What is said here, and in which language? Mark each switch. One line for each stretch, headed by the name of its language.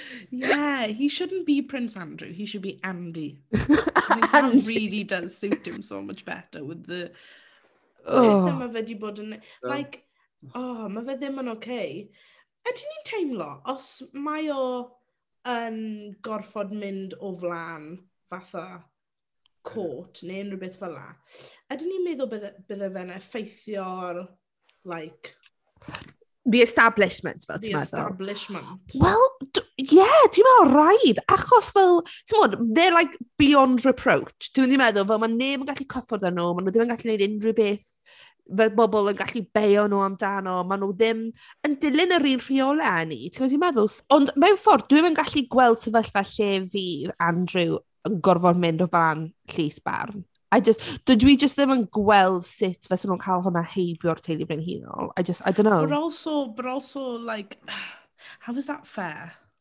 English: Yeah, he shouldn't be Prince Andrew, he should be Andy. And that really does suit him so much better with the...
Welsh: Oh. Mae fe di bod yn... Like, oh, mae fe ddim yn okay. Ydy ni'n teimlo, os mae o yn gorfod mynd o flan fatha court neu unrhyw beth fel la, ydy ni'n meddwl bydde fe'n effeithio'r, like... The establishment, fel ti'n meddwl.
English: The establishment.
Welsh: Well, yeah, ti'n meddwl rhaid, achos fel, ti'n meddwl, they're like beyond reproach. Dwi'n meddwl, fel mae neb yn gallu cyffwrdd â nhw, mae nhw ddim yn gallu gwneud unrhyw beth. Fydd bobl yn gallu beio nhw amdano, maen nhw ddim yn dilyn yr un rheolau â ni. Ti'n meddwl? Ond mewn ffordd, dwi'n yn gallu gweld sefyllfa lle fi, Andrew, yn gorfod mynd o fan Llys Barn. Dwi just ddim yn gweld sut fes nhw'n cael hwnna heibio'r teulu brenhinol.
English: I don't know. But also, like, how is that fair?